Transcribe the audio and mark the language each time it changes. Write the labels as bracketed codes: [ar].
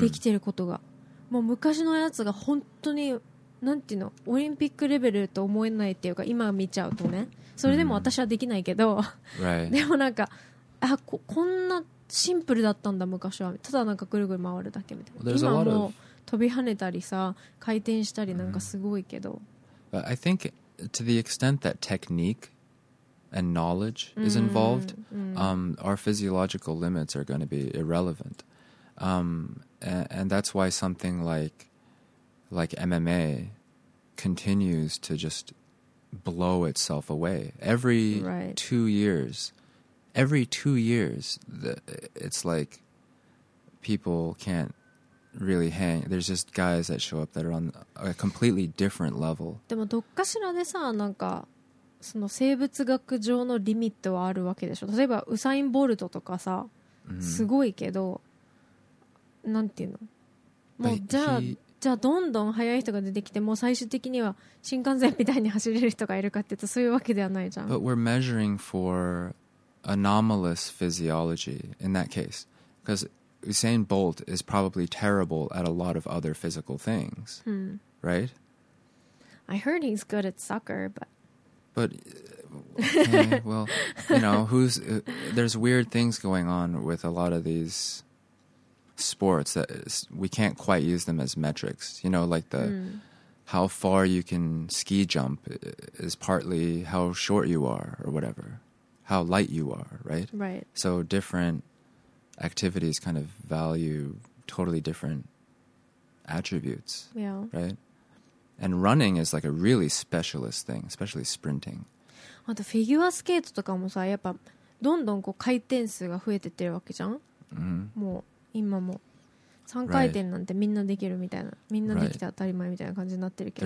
[ja] できてることが、もう昔のやつが本当になんていうの、オリンピックレベルと思えないっていうか、今見ちゃうとね、それでも私はできないけど、うん、でもなんか、 [en] right. [ja] あ、こんなシンプルだったんだ昔は、ただなんかぐるぐる回るだけみたいな、 [en] well, [ja] 今も飛び跳ねたりさ、回転したりなんかすごいけど、 [en] But、I think to the extent that techniqueand knowledge is involved, our physiological limits are going to be irrelevant. And that's why something like MMA continues to just blow itself away. Every two years, it's like people can't really hang. There's just guys that show up that are on a completely different level. [ja] でもどっかしらでさ、なんかその生物学上のリミットはあるわけでしょ。例えばウサインボルトとかさ、すごいけど、なんていうの、もうじゃあどんどん速い人が出てきて、もう最終的には新幹線みたいに走れる人がいるかって言うと、そういうわけではないじゃん。 [en] But we're measuring for anomalous physiology in that case, because Usain Bolt is probably terrible at a lot of other physical things, right? I heard he's good at soccer, but okay, well, you know, who's there's weird things going on with a lot of these sports that is, we can't quite use them as metrics. You know, like the how far you can ski jump is partly how short you are or whatever, how light you are, right? Right. So different activities kind of value totally different attributes. Yeah. Right? And running is like a really specialist thing, especially sprinting. [ja] あとフィギュアスケートとかもさ、やっぱどんどんこう回転数が増えてってるわけじゃん。 Mm-hmm. もう今も3回転なんてみんなできるみたいな、みんなできて当たり前みたいな感じになってるけど。